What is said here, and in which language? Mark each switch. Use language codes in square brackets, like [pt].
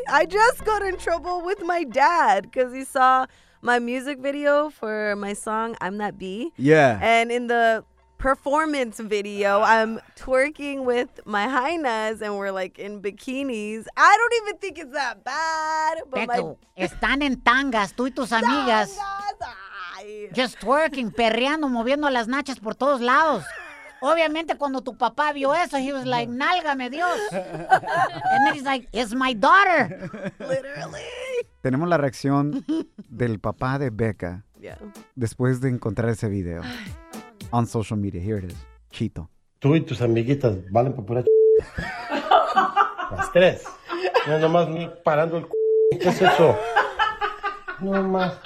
[en] I just got in trouble with my dad because he saw my music video for my song, I'm That Bee. Yeah. And in the performance video, I'm twerking with my hyenas and we're like in bikinis. I don't even think it's that bad. But [es] Beto, están en tangas, tú y tus amigas. Tangas, [en] just twerking, [es] perreando, moviendo las nachas por todos lados. Obviamente, cuando tu papá vio eso, [en] he was like, [es] nálgame Dios. [en] And then he's like, it's my daughter. Literally. [es] Tenemos la reacción del papá de Becca después de encontrar ese video. [en] On social media, here it is. Chito. [es] Tú y tus amiguitas valen para pura ch. Las tres. Mira, nomás parando el c. ¿Qué es eso? Nomás.